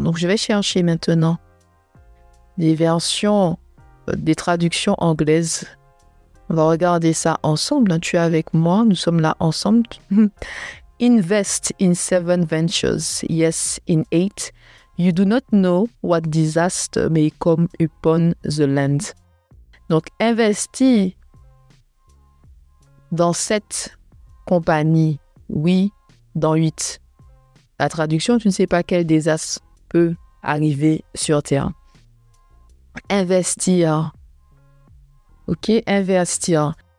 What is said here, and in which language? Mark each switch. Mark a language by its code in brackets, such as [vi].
[fr] Donc, je vais chercher maintenant des versions, des traductions anglaises. On va regarder ça ensemble. Tu es avec moi, nous sommes là ensemble. [en] Invest in 7 ventures, yes, in 8. You do not know what disaster may come upon the land. [fr] Donc, investis dans 7 compagnies, oui, dans 8. La traduction, tu ne sais pas quel désastre peut arriver sur terre. Investir. OK, investir.